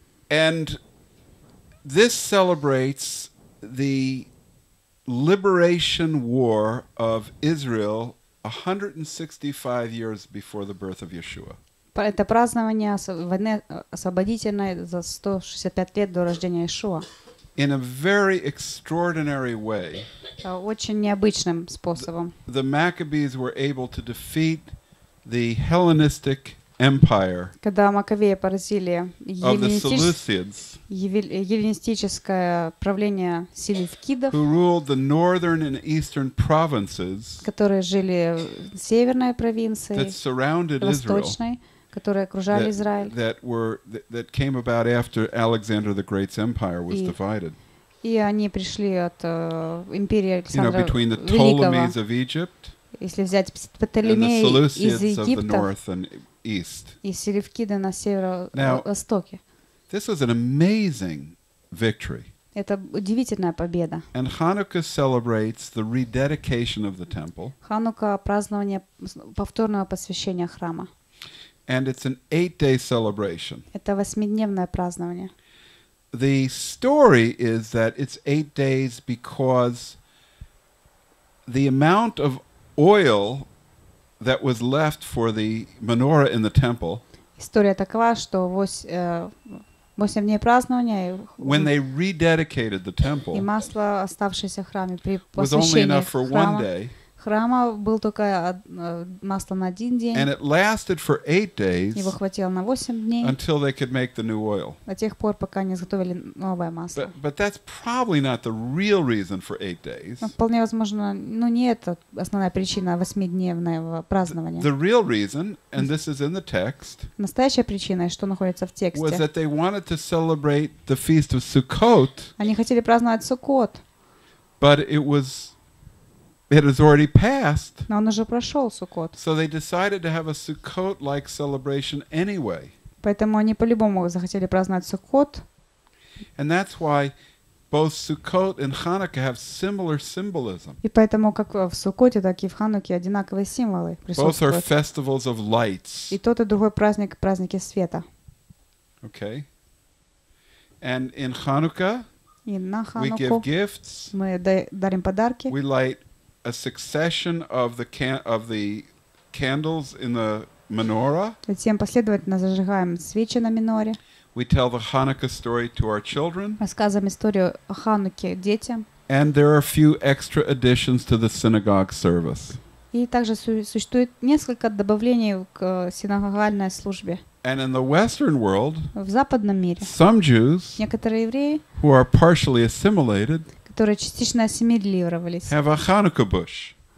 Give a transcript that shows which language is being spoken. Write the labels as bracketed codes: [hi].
[en] And this celebrates the liberation war of Israel 165 years before the birth of Yeshua. [ru] Это празднование войны освободительной за 165 лет до рождения Иешуа. [en] In a very extraordinary way. [ru] Очень необычным способом. [en] The Maccabees were able to defeat the Hellenistic Empire. [ru] Когда Маккавеи поразили еллинистическое правление селевкидов, [en] who ruled the northern and eastern provinces, [ru] которые жили в северной провинции, [en] that surrounded [ru] восточной, [en] Israel, [ru] которые окружали Израиль, [en] that came about after Alexander the Great's empire was divided. [ru] И они пришли от империи Александра Великого. [en] You know, between the Ptolemies of Egypt, [ru] если взять Птолемеи из Египта, [en] East. [ru] И селевкиды на северо-востоке. [en] This was an amazing victory. [ru] Это удивительная победа. [en] And Hanukkah celebrates the rededication of the temple. [ru] Ханука — празднование повторного посвящения храма. [en] And it's an 8-day celebration. [ru] Это восьмидневное празднование. [en] The story is that it's 8 days because the amount of oil that was left for the menorah in the temple. [ru] История такова, что восемь дней празднования. [en] When they rededicated the temple. [ru] И масло, оставшееся в храме при посвящении храма, [en] was only enough for one day. [ru] храма был только масло на один день. [en] And it lasted for 8 days. [ru] Его хватило на 8 дней. [en] Until they could make the new oil. [ru] До тех пор, пока не изготовили новое масло. [en] But that's probably not the real reason for 8 days. [ru] Вполне возможно, не это основная причина восьмидневного празднования. [en] The real reason, and this is in the text. [ru] Настоящая причина, что находится в тексте. [en] Was that they wanted to celebrate the feast of Sukkot. [ru] Они хотели праздновать Суккот. [en] But it was. It has already passed. [ru] Но он уже прошел Суккот. [en] So they decided to have a Sukkot-like celebration anyway. [ru] Поэтому они по-любому захотели праздновать Суккот. [en] And that's why both Sukkot and Hanukkah have similar symbolism. [ru] И поэтому как в Суккоте, так и в Хануке одинаковые символы присутствуют. [en] Both are festivals of lights. [ru] И тот и другой праздник — праздники света. [en] Okay. And in Hanukkah, [ru] и на Хануку [en] we give gifts. [ru] Мы дарим подарки. [en] We light a succession of the candles in the menorah. [ru] Затем последовательно зажигаем свечи на миноре. [en] We tell the Hanukkah story to our children. [ru] Рассказываем историю о Хануке детям. [en] And there are a few extra additions to the synagogue service. [ru] И также существует несколько добавлений к синагогальной службе. [en] And in the Western world, [ru] в западном мире, [en] some Jews, [ru] некоторые евреи, [en] who are partially assimilated, [ru] которые частично ассимилировались. [en] Have a Hanukkah bush.